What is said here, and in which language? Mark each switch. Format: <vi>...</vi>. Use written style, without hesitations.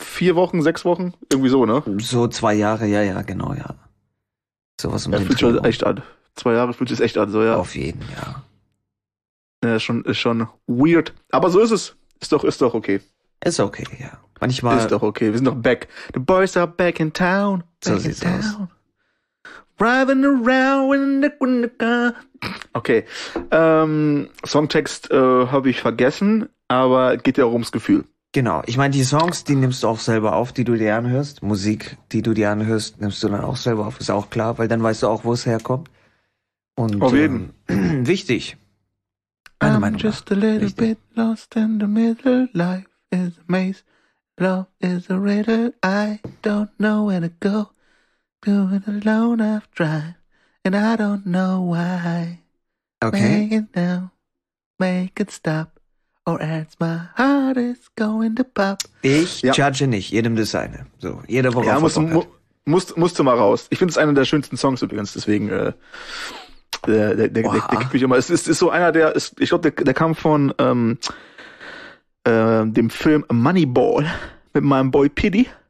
<de>4 Wochen, 6 Wochen? Irgendwie so, ne? So 2 Jahre, ja, genau. So was um den Dreh. Fühlt sich echt an. 2 Jahre fühlt sich echt an, so, ja. Auf jeden Fall, ja. Ist schon weird. Aber so ist es. Ist doch okay. Ist okay, ja. Manchmal. Ist doch okay, wir sind doch back.</de> <en>The boys are back in town.</en> <de>So sieht's aus.</de> <en>Driving around in the car.</en> <de>Okay, Songtext habe ich vergessen, aber geht ja auch ums Gefühl. Genau, ich meine, die Songs, die nimmst du auch selber auf, die du dir anhörst. Musik, die du dir anhörst, nimmst du dann auch selber auf, ist auch klar, weil dann weißt du auch, wo es herkommt. Und auf jeden. Wichtig.</de> <en>I'm just a little bit lost in the middle. Life is a maze. Love is a riddle. I don't know where to go. Doing alone, I've tried. And I don't know why. Okay. Make it now. Make it stop. Or else my heart is going to pop.</en> <de>Ich judge nicht. Jedem das seine. So, jeder worauf er Bock hat. Musst du mal raus. Ich finde es einer der schönsten Songs übrigens. Deswegen, der kippt mich immer. Es ist so einer der, ist, ich glaube, der kam von dem Film Moneyball mit meinem Boy Pity.</de>